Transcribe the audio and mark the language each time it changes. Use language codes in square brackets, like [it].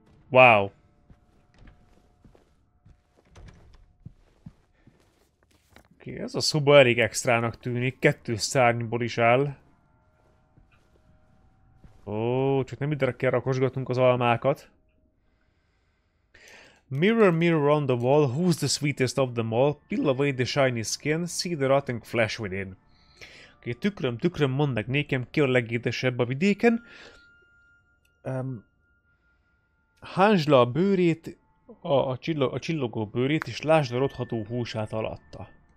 [en] Wow! [hu] Ez a szoba elég extrának tűnik, 2 szárnyból is áll. Ó, csak nem ide kell rakosgatnunk az almákat. [en] Mirror, mirror on the wall, who's the sweetest of them all? Peel away the shiny skin, see the rotting flesh within. [hu] Oké, tükröm, tükröm, mondd meg nékem, ki a legédesebb a vidéken. Hánzs le a bőrét, a csillogó bőrét, és lásd a rotható húsát alatta.